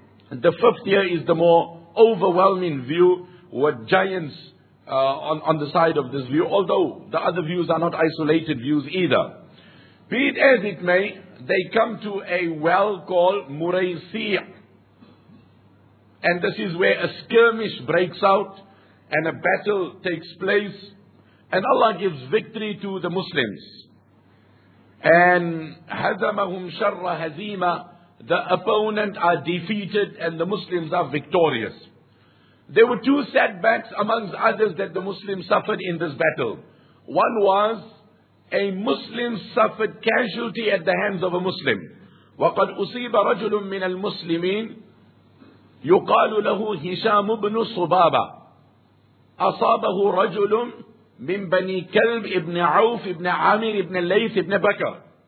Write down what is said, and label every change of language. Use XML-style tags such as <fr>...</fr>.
<en>The fifth year is the more overwhelming view, with giants on the side of this view, although the other views are not isolated views either. Be it as it may, they come to a well called Muraysi'. And this is where a skirmish breaks out and a battle takes place. And Allah gives victory to the Muslims.</en> <ar>And هَزَمَهُمْ شَرَّ هَزِيمًا.</ar> <en>The opponent are defeated and the Muslims are victorious. There were two setbacks amongst others that the Muslims suffered in this battle. One was, a Muslim suffered casualty at the hands of a Muslim.</en> <ar>وَقَدْ أُصِيبَ رَجُلٌ مِّنَ الْمُسْلِمِينَ يُقَالُ لَهُ هِشَامُ بْنُ صُبَابَةٌ أَصَابَهُ رَجُلٌ مِنْ بَنِي كَلْبِ إِبْنِ عَوْفِ إِبْنِ عَامِرِ إِبْنِ لَيْثِ إِبْنِ بَكَرِ.</ar>